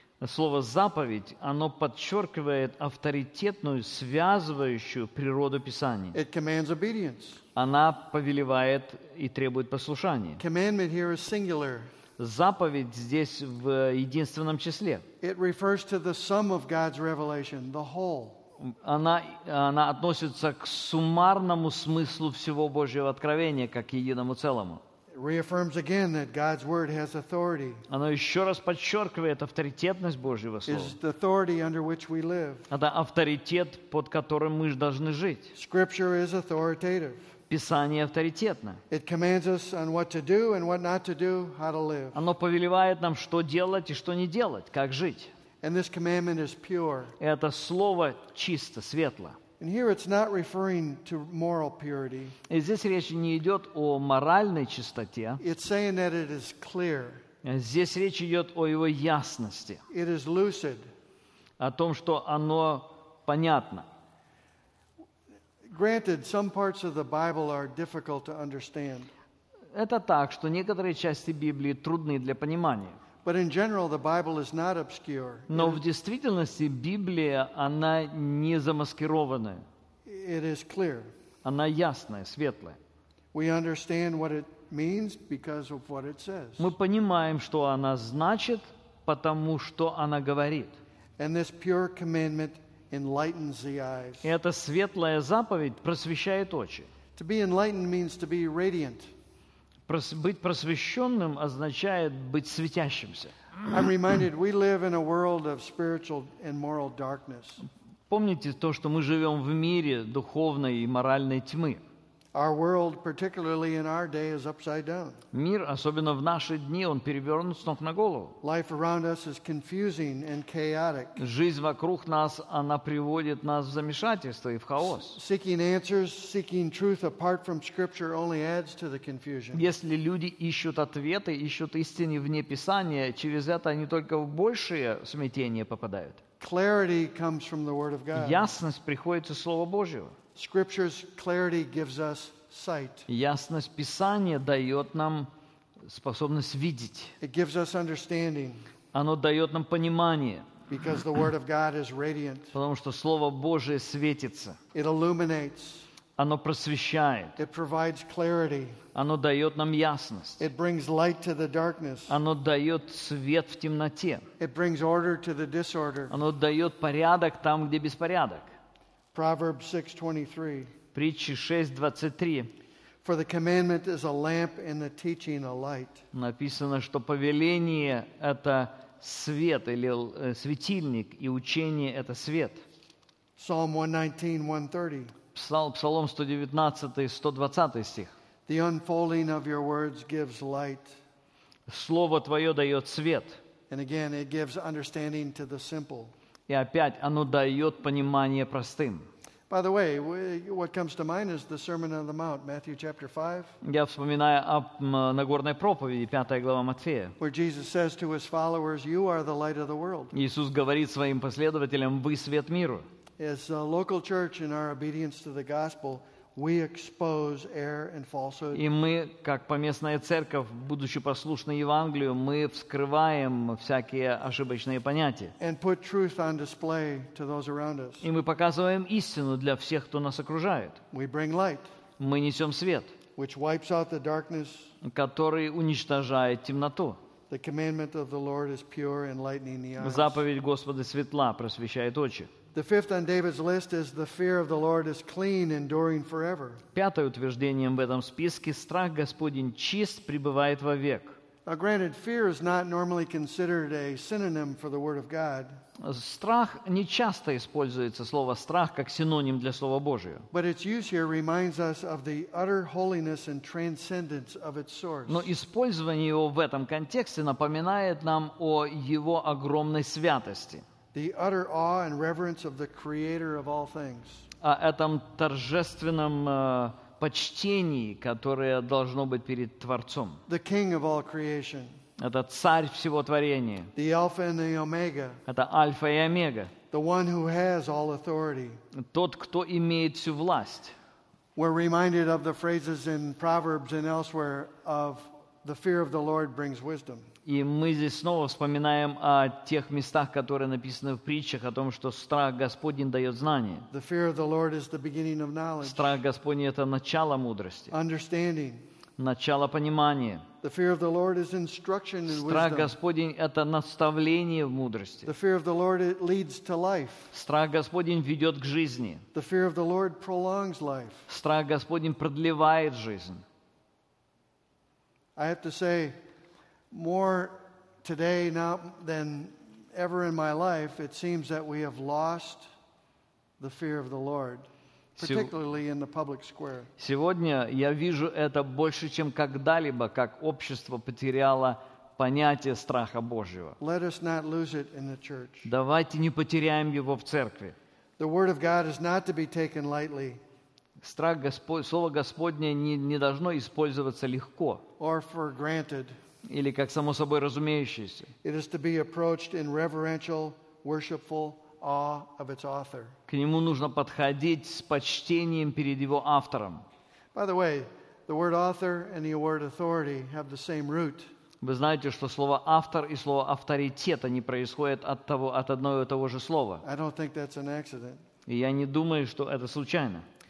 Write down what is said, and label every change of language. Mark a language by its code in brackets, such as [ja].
[ru] Слово «заповедь», оно подчеркивает авторитетную, связывающую природу Писания. [en] It commands obedience. [ru] Она повелевает и требует послушания. [en] Commandment here is singular. [ru] Заповедь здесь в единственном числе. [en] It refers to the sum of God's revelation, the whole. [ru] Она относится к суммарному смыслу всего Божьего откровения, как единому целому. [en] Reaffirms again that God's word has authority. [ru] Оно еще раз подчеркивает авторитетность Божьего слова. [en] Is the authority under which we live. [ru] Это авторитет, под которым мы должны жить. [en] Scripture is authoritative. [ru] Писание авторитетно. [en] It commands us on what to do and what not to do, how to live. [ru] Оно повелевает нам, что делать и что не делать, как жить. [en] And this commandment is pure. [ru] Это слово чисто, светло. [en] And here it's not referring to moral purity. [ru] И здесь речь не идет о моральной чистоте. [en] It's saying that it is clear. [ru] Здесь речь идет о его ясности. [en] It is lucid. [ru] О том, что оно понятно. [en] Granted, some parts of the Bible are difficult to understand. [ru] Это так, что некоторые части Библии трудны для понимания. [en] But in general, the Bible is not obscure. [ru] Но в действительности Библия, она не замаскированная. [en] It is clear. [ru] Она ясная, светлая. [en] We understand what it means because of what it says. [ru] Мы понимаем, что она значит, потому что она говорит. [en] And this pure commandment enlightens the eyes. [ru] И эта светлая заповедь просвещает очи. [en] To be enlightened means to be radiant. [ru] Быть просвещенным означает быть светящимся. [en] I'm reminded we live in a world of spiritual and moral darkness. [ru] Помните то, что мы живем в мире духовной и моральной тьмы. [en] Our world, particularly in our day, is upside down. [ru] Мир, особенно в наши дни, он перевернут с ног на голову. [en] Life around us is confusing and chaotic. [ru] Жизнь вокруг нас, она приводит нас в замешательство и в хаос. [en] Seeking answers, seeking truth apart from Scripture only adds to the confusion. [ru] Если люди ищут ответы, ищут истины вне Писания, через это они только в большее смятение попадают. [en] Clarity comes from the Word of God. [ru] Ясность приходит из Слова Божьего. [en] Scripture's clarity gives us sight. [ru] Ясность Писания дает нам способность видеть. [en] It gives us understanding. [ru] Оно дает нам понимание. [en] Because the word of God is radiant. [ru] Потому что Слово Божие светится. [en] It illuminates. [ru] Оно просвещает. [en] It provides clarity. [ru] Оно дает нам ясность. [en] It brings light to the darkness. [ru] Оно дает свет в темноте. [en] It brings order to the disorder. [ru] Оно дает порядок там, где беспорядок. [en] Proverbs 6:23. [ru] Притчи 6:23. [en] For the commandment is a lamp and the teaching a light. [ru] Написано, что повеление – это свет или светильник, и учение – это свет. [en] Psalm 119:130. [ru] Псалом 119:120 стих. [en] The unfolding of your words gives light. [ru] Слово твое дает свет. [en] And again, it gives understanding to the simple. [ru] И опять оно дает понимание простым. [en] By the way, what comes to mind is the Sermon on the Mount, Matthew chapter 5. [ru] Я вспоминаю об Нагорной проповеди, 5 глава Матфея. [en] Where Jesus says to his followers, "You are the light of the world." [ru] Иисус говорит своим последователям: "Вы свет миру." [en] As a local church in our obedience to the gospel, we expose error and falsehood. [ru] И мы, как поместная церковь, будучи послушной Евангелию, мы вскрываем всякие ошибочные понятия. [en] And put truth on display to those around us. [ru] И мы показываем истину для всех, кто нас окружает. [en] We bring light. [ru] Мы несем свет. [en] Which wipes out the darkness. [ru] Который уничтожает темноту. [en] The commandment of the Lord is pure, enlightening the eyes. [ru] Заповедь Господа светла, просвещает очи. [en] The fifth on David's list is the fear of the Lord is clean, enduring forever. [ru] Пятое утверждение в этом списке: страх Господень чист, пребывает вовек. [en] Now, granted, fear is not normally considered a synonym for the Word of God. [ru] Страх не часто используется слово страх как синоним для Слова Божьего. [en] But its use here reminds us of the utter holiness and transcendence of its source. [ru] Но использование его в этом контексте напоминает нам о его огромной святости. [en] The utter awe and reverence of the Creator of all things. [ru] О этом торжественном почтении, которое должно быть перед Творцом. [en] The King of all creation. [ru] Это Царь всего творения. [en] The Alpha and the Omega. [ru] Это Альфа и Омега. [en] The one who has all authority. [ru] Тот, кто имеет всю власть. [en] We're reminded of the phrases in Proverbs and elsewhere of the fear of the Lord brings wisdom. [ru] И мы здесь снова вспоминаем о тех местах, которые написаны в притчах, о том, что страх Господень дает знание. [en] The fear of the Lord is the beginning of knowledge. [ru] Страх Господень – это начало мудрости. [en] Understanding. [ru] Начало понимания. [en] The fear of the Lord is instruction in wisdom. [ru] Страх Господень – это наставление в мудрости. [en] The fear of the Lord leads to life. [ru] Страх Господень ведет к жизни. [en] The fear of the Lord prolongs life. [ru] Страх Господень продлевает жизнь. [en] I have to say, more today now than ever in my life, it seems that we have lost the fear of the Lord, particularly in the public square. [ru] Сегодня я вижу это больше, чем когда-либо, как общество потеряло понятие страха Божьего. [en] Let us not lose it in the church. [ru] Давайте не потеряем его в церкви. [en] The word of God is not to be taken lightly. [ru] Страх Господь, слово Господне не должно использоваться легко. [en] Or for granted. [ru] Или как само собой разумеющееся. [en] It is to be approached in reverential, worshipful awe of its author. [ru] К нему нужно подходить с почтением перед его автором. [en] By the way, the word author and the word authority have the same root. [ru] Вы знаете, что слово автор и слово авторитет, они происходят от одного и того же слова. [en] I don't think that's an accident. [ru] И я не думаю, что это случайно.